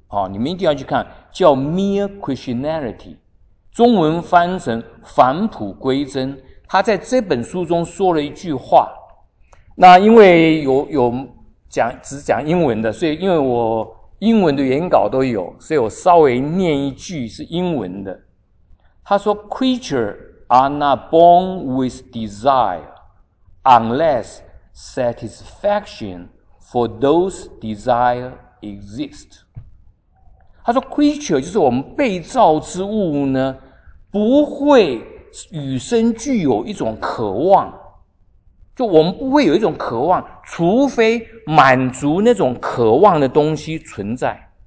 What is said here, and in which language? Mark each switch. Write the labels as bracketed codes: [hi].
[zh] 你们一定要去看，叫 Mere Christianity， 中文翻成返璞归真。他在这本书中说了一句话，那因为有讲只讲英文的，所以因为我英文的原稿都有，所以我稍微念一句是英文的。他说 [en] Creatures are not born with desire unless satisfaction for those desires exist。 [zh] 他说 creature 就是我们被造之物呢，不会与生具有一种渴望，就我们不会有一种渴望，除非满足那种渴望的东西存在。